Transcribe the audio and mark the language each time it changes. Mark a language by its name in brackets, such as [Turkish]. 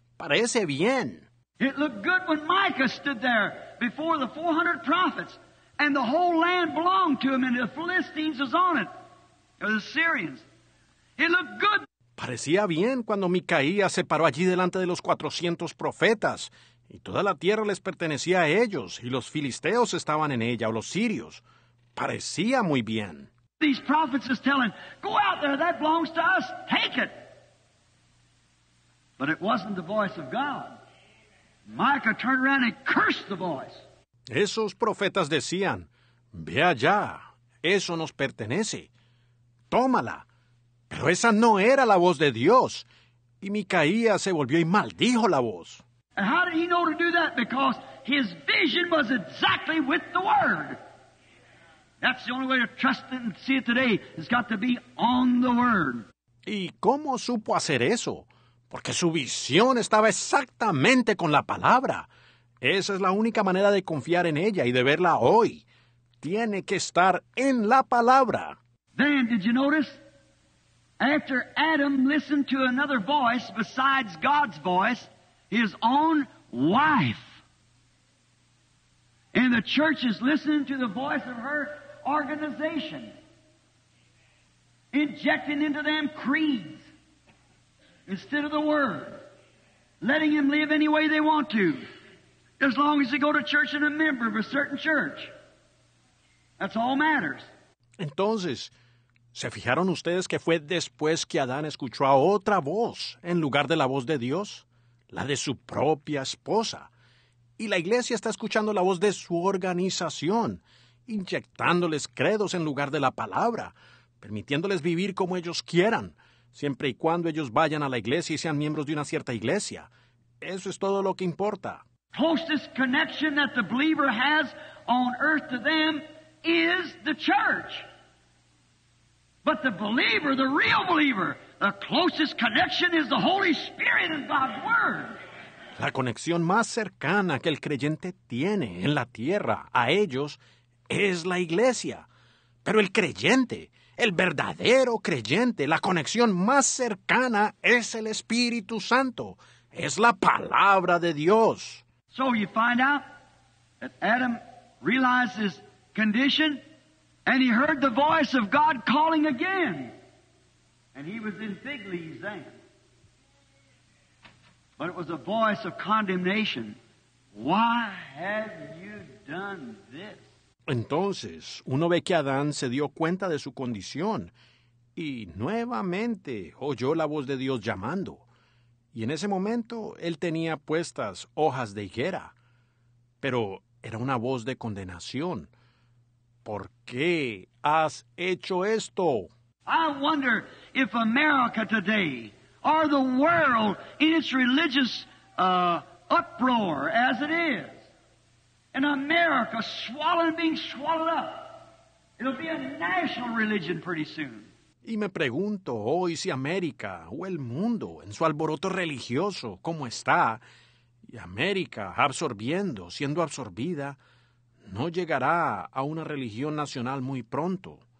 [Spanish] Parece bien. [English] It looked good when Micah stood there before the 400 prophets and the whole land belonged to him and the Philistines was on it. The Syrians. It looked good. [Spanish] Parecía bien cuando Micaías se paró allí delante de los 400 profetas, y toda la tierra les pertenecía a ellos, y los filisteos estaban en ella, o los sirios. Parecía muy bien. [English] These prophets are telling, go out there, that belongs to us, take it. But it wasn't the voice of God. Micah turned around and cursed the voice. [Spanish] Esos profetas decían, ve allá, eso nos pertenece. Tómala. Pero esa no era la voz de Dios. Y Micaías se volvió y maldijo la voz. [English] And how did he know to do that? Because his vision was exactly with the Word. That's the only way to trust it and see it today. It's got to be on the Word. [Spanish] ¿Y cómo supo hacer eso? Porque su visión estaba exactamente con la palabra. Esa es la única manera de confiar en ella y de verla hoy. Tiene que estar en la palabra. [English] Then, did you notice, after Adam listened to another voice besides God's voice, his own wife, and the church is listening to the voice of her organization, injecting into them creeds instead of the Word, letting them live any way they want to, as long as they go to church and a member of a certain church. That's all matters. [Spanish] Entonces, ¿se fijaron ustedes que fue después que Adán escuchó a otra voz en lugar de la voz de Dios? La de su propia esposa. Y la iglesia está escuchando la voz de su organización, inyectándoles credos en lugar de la palabra, permitiéndoles vivir como ellos quieran, siempre y cuando ellos vayan a la iglesia y sean miembros de una cierta iglesia. Eso es todo lo que importa. [English] La closest connection that the believer has on earth to them is the church. But the believer, the real believer, the closest connection is the Holy Spirit and God's Word. [Spanish] La conexión más cercana que el creyente tiene en la tierra a ellos es la iglesia. Pero el creyente, el verdadero creyente, la conexión más cercana es el Espíritu Santo. Es la palabra de Dios. [English] So you find out that Adam realized his condition. And he heard the voice of God calling again. And he was in fig leaves then. But it was a voice of condemnation. Why have you done this? [Spanish] Entonces, uno ve que Adán se dio cuenta de su condición. Y nuevamente oyó la voz de Dios llamando. Y en ese momento, él tenía puestas hojas de higuera. Pero era una voz de condenación. ¿Por qué has hecho esto? [English] I wonder if America today, or the world in its religious uproar as it is, in America swallowed and being swallowed up, it'll be a national religion pretty soon. [Spanish] Y me pregunto hoy si América o el mundo en su alboroto religioso como está, y América absorbiendo, siendo absorbida, no llegará a una religión nacional muy pronto.